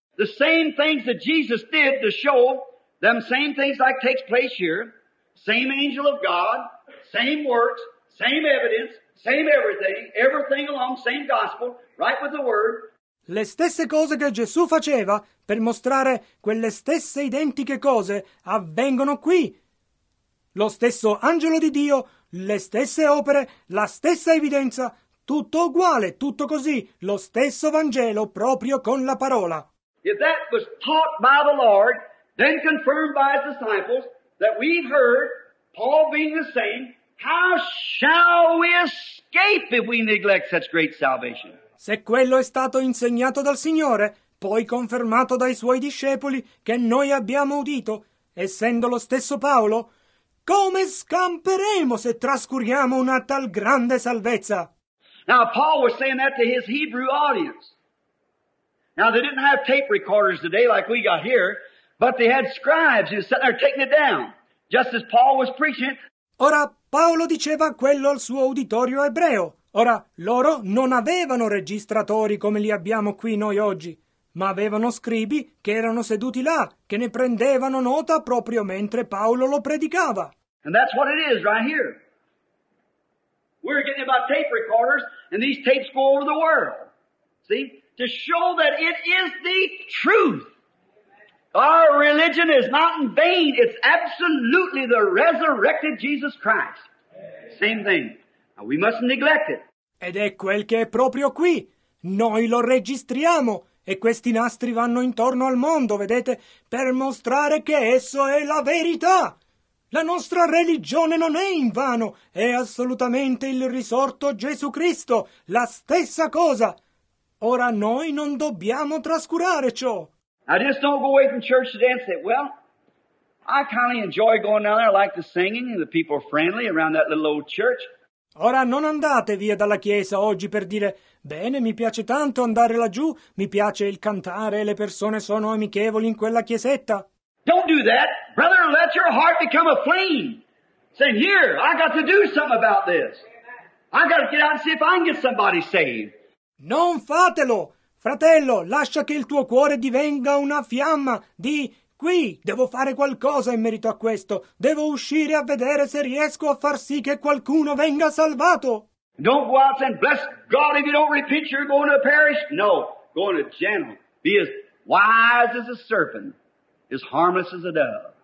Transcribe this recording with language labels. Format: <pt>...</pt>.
<en>The same things that Jesus did to show them, same things like takes place here, same angel of God, same works, same evidence, same everything, everything along same gospel, right with the word.</en> <it>Le stesse cose che Gesù faceva per mostrare quelle stesse identiche cose avvengono qui. Lo stesso angelo di Dio, le stesse opere, la stessa evidenza, tutto uguale, tutto così, lo stesso Vangelo proprio con la parola.</it> <en>If that was taught by the Lord, then confirmed by His disciples, that we've heard, Paul being the same, how shall we escape if we neglect such great salvation?</en> <it>Se quello è stato insegnato dal Signore, poi confermato dai Suoi discepoli, che noi abbiamo udito, essendo lo stesso Paolo, come scamperemo se trascuriamo una tal grande salvezza?</it> <en>Now, Paul was saying that to his Hebrew audience. Now, they didn't have tape recorders today like we got here, but they had scribes who were sitting there taking it down, just as Paul was preaching it.</en> <it>Ora, Paolo diceva quello al suo uditorio ebreo. Ora, loro non avevano registratori come li abbiamo qui noi oggi, ma avevano scribi che erano seduti là, che ne prendevano nota proprio mentre Paolo lo predicava.</it> <en>And that's what it is right here. We're getting about tape recorders, and these tapes go over the world. See? To show that it is the truth. Our religion is not in vain. It's absolutely the resurrected Jesus Christ. Same thing. Now we mustn't neglect it.</en> <it>Ed è quel che è proprio qui. Noi lo registriamo e questi nastri vanno intorno al mondo, vedete, per mostrare che esso è la verità. La nostra religione non è invano. È assolutamente il risorto Gesù Cristo. La stessa cosa. Ora noi non dobbiamo trascurare ciò.</it> <en>I just don't go away from church today and say, well, I kind of enjoy going down there. I like the singing and the people are friendly around that little old church.</en> <it>Ora non andate via dalla chiesa oggi per dire, bene, mi piace tanto andare laggiù, mi piace il cantare e le persone sono amichevoli in quella chiesetta.</it> <en>Don't do that. Brother, let your heart become a flame. Say, here, I got to do something about this. I got to get out and see if I can get somebody saved.</en> <it>Non fatelo! Fratello, lascia che il tuo cuore divenga una fiamma. Di, qui, devo fare qualcosa in merito a questo. Devo uscire a vedere se riesco a far sì che qualcuno venga salvato.</it> <en>Don't go out and bless God if you don't repent, you're going to perish. No, go in a gentle. Be as wise as a serpent, as harmless as a dove.</en>